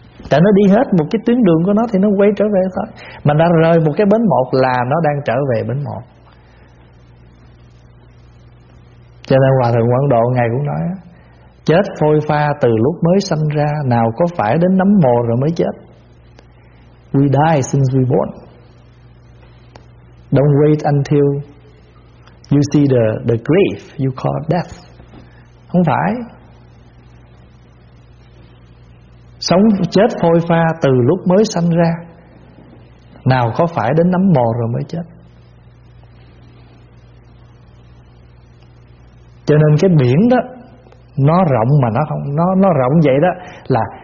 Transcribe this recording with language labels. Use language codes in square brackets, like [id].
[vi] Tại nó đi hết một cái tuyến đường của nó thì nó quay trở về thôi. Mình đã rời một cái bến 1 là nó đang trở về bến 1. Cho nên Hòa Thượng Quảng Độ ngày cũng nói, chết phôi pha từ lúc mới sanh ra, nào có phải đến nấm mồ rồi mới chết. [en] We die since we born. Don't wait until you see the grave you call death. [vi] Không phải. Sống chết phôi pha từ lúc mới sanh ra, nào có phải đến nấm mồ rồi mới chết. Cho nên cái biển đó, nó rộng mà nó không, nó rộng vậy đó, là